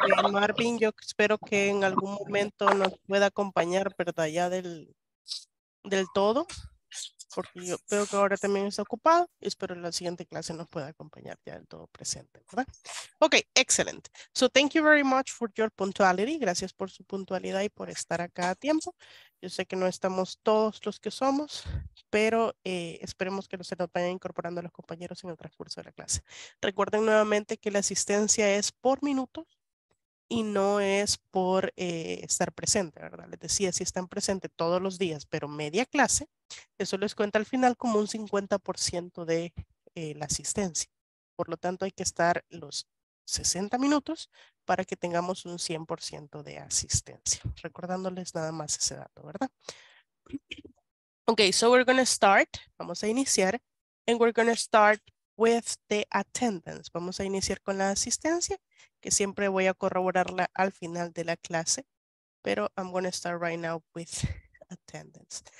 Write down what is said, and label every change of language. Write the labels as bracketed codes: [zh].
[es] Marvin, yo espero que en algún momento nos pueda acompañar, ¿verdad? Ya del todo, porque yo veo que ahora también está ocupado. Espero en la siguiente clase nos pueda acompañar ya del todo presente, ¿verdad? [en] Ok, excellent. So thank you very much for your punctuality. [es] Gracias por su puntualidad y por estar acá a tiempo. Yo sé que no estamos todos los que somos, pero esperemos que se nos vayan incorporando a los compañeros en el transcurso de la clase. Recuerden nuevamente que la asistencia es por minutos y no es por estar presente, ¿verdad? Les decía, si están presentes todos los días, pero media clase, eso les cuenta al final como un 50% de la asistencia. Por lo tanto, hay que estar los 60 minutos para que tengamos un 100% de asistencia. Recordándoles nada más ese dato, ¿verdad? [en] Ok, so we're going to start. [es] Vamos a iniciar. [en] And we're going to start with the attendance. [es] Vamos a iniciar con la asistencia, que siempre voy a corroborarla al final de la clase. Pero [en] I'm going to start right now with attendance.